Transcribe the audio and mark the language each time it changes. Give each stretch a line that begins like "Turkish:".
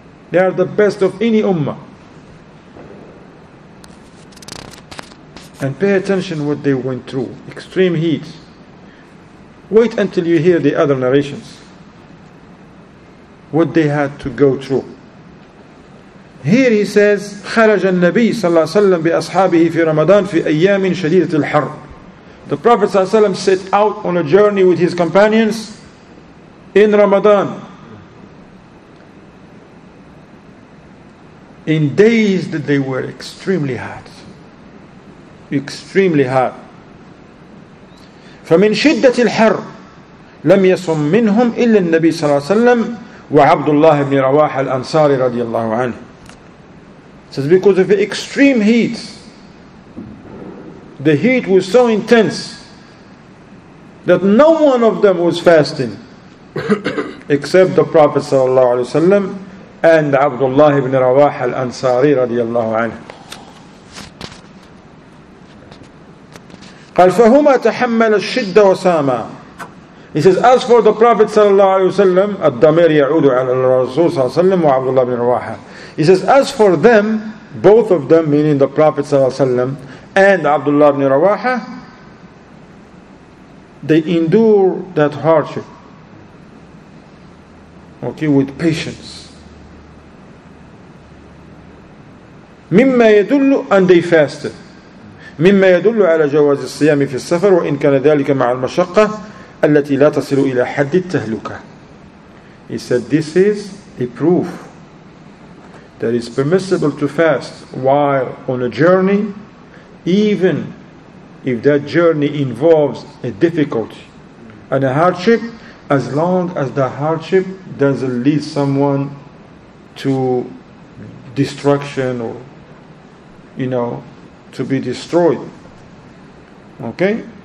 English: They are the best of any ummah. And pay attention what they went through. Extreme heat. Wait until you hear the other narrations. What they had to go through. Here he says,
Arabic: خرج النبي صلى الله عليه وسلم بأصحابه في رمضان في أيام شديدة الحر.
English: The Prophet صلى الله عليه وسلم set out on a journey with his companions in Ramadan. In days that they were extremely hot. Extremely hot.
Arabic: فمن شدة الحر لم يصم منهم إلا النبي صلى الله عليه وسلم وعبد الله بن رواحة الأنصاري رضي الله عنه.
English: Says because of the extreme heat, the heat was so intense that no one of them was fasting except the Prophet صلى الله عليه وسلم and عبد الله بن رواحة الأنصاري رضي الله عنه.
Arabic: قال فهما تحمل الشدة وساما.
English: He says, as for the Prophet
Arabic: صلى الله عليه وسلم, الدمير يعود على الرسول صلى الله عليه وسلم وعبد الله بن رواحة.
English: He says, as for them, both of them, meaning the Prophet صلى الله عليه وسلم and Abdullah ibn Rawaha, they endure that hardship. Okay, with patience.
Arabic: مما يدل,
English: and they fasted.
Arabic: مما يدل على جواز الصيام في السفر وإن كان ذلك مع المشقة التي لا تصل إلى حد التهلكة.
English: He said, this is a proof that it's permissible to fast while on a journey, even if that journey involves a difficulty and a hardship, as long as the hardship doesn't lead someone to destruction or, you know, to be destroyed. Okay?